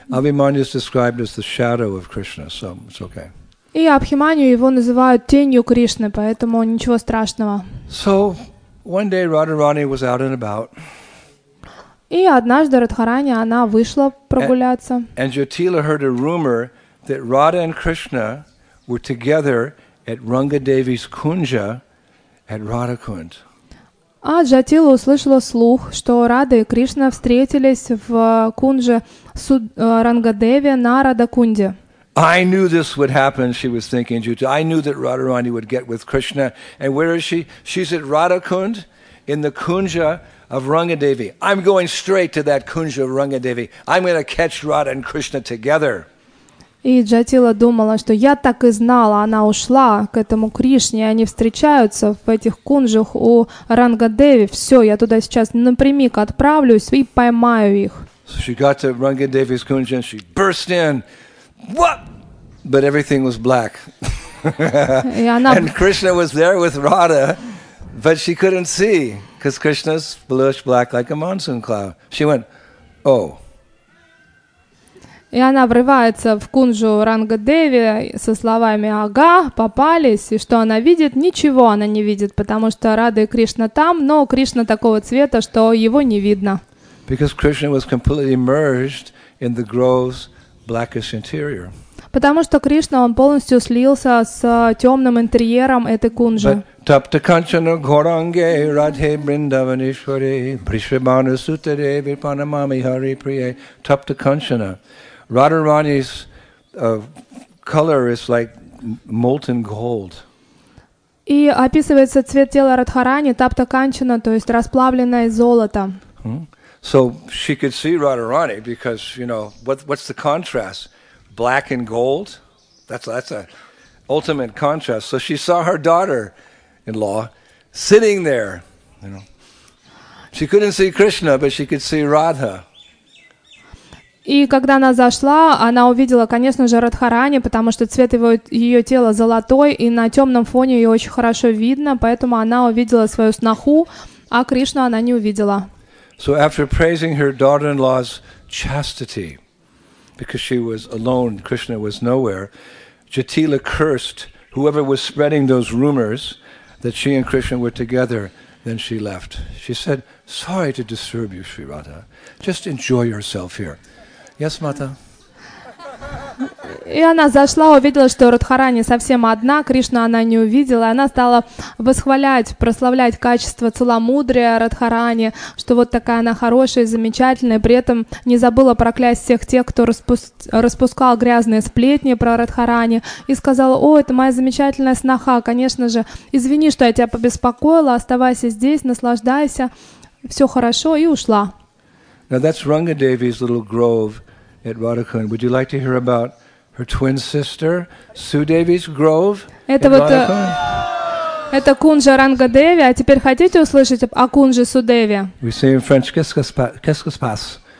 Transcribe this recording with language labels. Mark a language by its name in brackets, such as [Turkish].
[English] Абхиманию is described as the shadow of Krishna, so it's okay. [Russian] И Абхиманию его называют тенью Кришны, поэтому ничего страшного. [English] So one day Radharani was out and about. [Russian] И однажды Радхарани, она вышла прогуляться. [English] And Jyotila heard a rumor that Radha and Krishna were together at Ranga Devi's kunja at Radhakund. [Russian] А Джатила услышала слух, что Рада и Кришна встретились в кунже Рангадеви на Радакунде. [English] I knew this would happen, she was thinking, Jyotila. I knew that Radharani would get with Krishna. And where is she? She's at Radhakund in the kunja of Rangadevi. I'm going straight to that kunja of Rangadevi. I'm going to catch Radha and Krishna together. [Russian] И Джатила думала, что я так и знала, она ушла к этому Кришне, и они встречаются в этих кунжах у Рангадеви. Все, я туда сейчас напрямик отправлюсь и поймаю их. [English] So she got to Rangadevi's kunja and she burst in. What? But everything was black. And Krishna was there with Radha, but she couldn't see, because Krishna's bluish black like a monsoon cloud. She went, oh. [Russian] И она врывается в кунжу Рангадеви со словами «Ага, попались!» И что она видит? Ничего она не видит, потому что Рада и Кришна там, но Кришна такого цвета, что его не видно. [English] Because Krishna was completely merged in the grove's blackish interior. [Russian] Потому что Кришна, он полностью слился с темным интерьером этой кунжи. [Sanskrit] Тапта канчана горанге радхе бриндаванишвари бришвабану сутаре випанамами хари прие тапта канчана. [English] Radharani's color is like molten gold. [Russian] И описывается цвет тела Радхарани тапта канчана, то есть расплавленное золото. [English] So she could see Radharani because, you know, what's the contrast? Black and gold? That's a ultimate contrast. So she saw her daughter-in-law sitting there, you know. She couldn't see Krishna, but she could see Radha. [Russian] И когда она зашла, она увидела, конечно же, Радхарани, потому что цвет ее тела золотой, и на темном фоне ее очень хорошо видно, поэтому она увидела свою снаху, а Кришну она не увидела. [English] So after praising her daughter-in-law's chastity, because she was alone, Krishna was nowhere, Jyotila cursed whoever was spreading those rumors that she and Krishna were together, then she left. She said, sorry to disturb you, Sri Radha, just enjoy yourself here. Yes, Mata. [Russian] И она зашла, увидела, что Радхарани совсем одна, Кришну она не увидела, и она стала восхвалять, прославлять качество целомудрия Радхарани, что вот такая она хорошая и замечательная, при этом не забыла проклясть всех тех, кто распускал грязные сплетни про Радхарани, и сказала, о, это моя замечательная сноха, конечно же, извини, что я тебя побеспокоила, оставайся здесь, наслаждайся, все хорошо, и ушла. [English] Now that's Rangadevi's little grove at Radhakund. Would you like to hear about her twin sister, Sudevi's grove at Radhakund? [Russian] Это кунжа Рангадеви, а теперь хотите услышать о кунже Судеви? [English] We say in French, [French] qu'est-ce qui se passe?